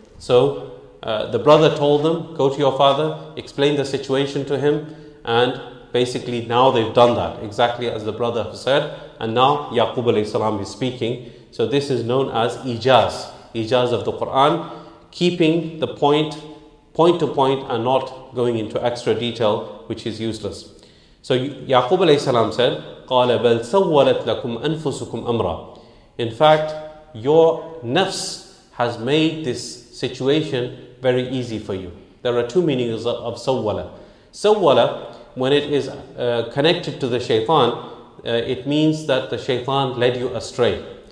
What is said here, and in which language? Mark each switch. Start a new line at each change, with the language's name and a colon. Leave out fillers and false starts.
English: So the brother told them, go to your father, explain the situation to him, and basically now they've done that, exactly as the brother said, and now Yaqub alayhi salam is speaking. So this is known as ijaz, ijaz of the Quran, keeping the point to point and not going into extra detail, which is useless. So Yaqub alayhi salam said,
Arabic: قَالَ بَلْ سَوَّلَتْ لَكُمْ أَنفُسُكُمْ أَمْرًا.
English: In fact, your nafs has made this situation very easy for you. There are two meanings of sawwala. Sawwala, when it is connected to the shaytan, it means that the shaytan led you astray.